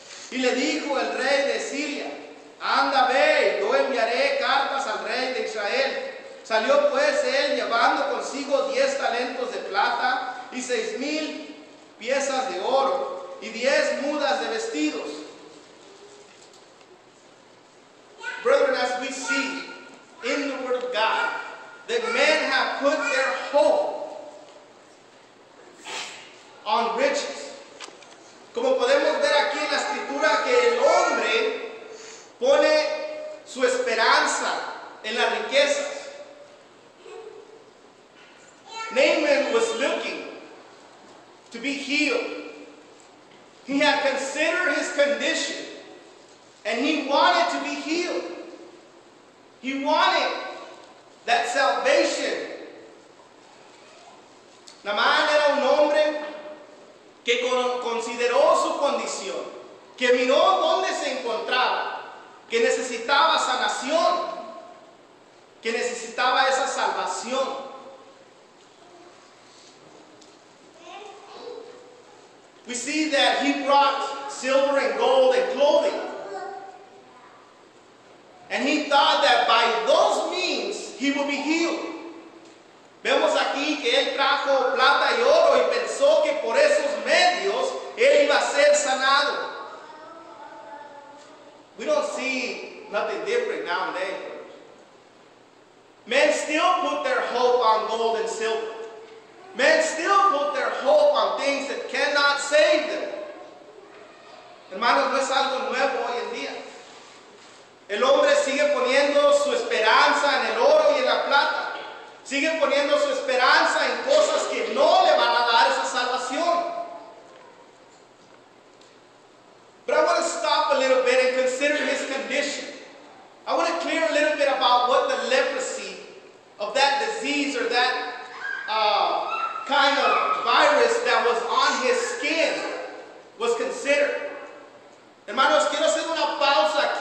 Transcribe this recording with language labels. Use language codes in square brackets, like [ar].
[es] Y le dijo el rey de Siria: "Anda, ve, yo enviaré cartas al rey de Israel." Salió pues él llevando consigo 10 talentos de plata y 6,000 piezas de oro y 10 mudas de vestidos. [en] Brethren, as we see in the Word of God, that men have put their hope on riches. [es] Como podemos ver aquí en la escritura, que el hombre pone su esperanza en las riquezas. [en] Naaman was looking to be healed. He had considered his condition and he wanted to be healed. He wanted that salvation. [es] Naaman era un hombre que consideró su condición, que miró dónde se encontraba, que necesitaba sanación, que necesitaba esa salvación. [en] We see that he brought silver and gold and clothing. And he thought that by those means he would be healed. [es] Vemos aquí que él trajo plata y oro y pensó que por esos medios él iba a ser sanado. [en] We don't see nothing different nowadays. Men still put their hope on gold and silver. Men still put their hope on things that cannot save them. [es] Hermanos, no es algo nuevo hoy en día. El hombre sigue poniendo su esperanza en el oro y en la plata. Sigue poniendo su esperanza en cosas que no le van a dar esa salvación. [en] But I want to stop a little bit and consider his condition. I want to clear a little bit about what the leprosy of that disease or that kind of virus that was on his skin was considered. [es] Hermanos, quiero hacer una pausa.